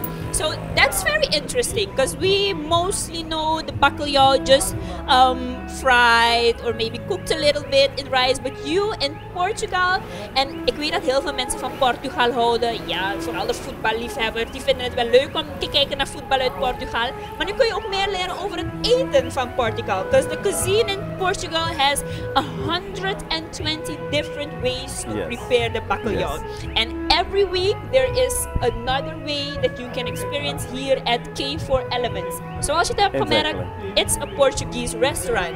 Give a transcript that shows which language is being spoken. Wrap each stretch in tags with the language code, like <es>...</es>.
<en>So that's very interesting because we mostly know the bacalhau just fried or maybe cooked a little bit in rice. But you in Portugal, and</en> <nl>ik weet dat heel veel mensen van Portugal houden. Ja, vooral de voetballiefhebbers, die vinden het wel leuk om te kijken naar voetbal uit Portugal. Maar nu kun je ook meer leren over het eten van Portugal.</nl> <en>Because the cuisine in Portugal has 120 different ways to yes. prepare the bacalhau. Yes. And every week there is another way that you can experience here at K4 Elements. So as you have Pomerac, it's a Portuguese restaurant.</en>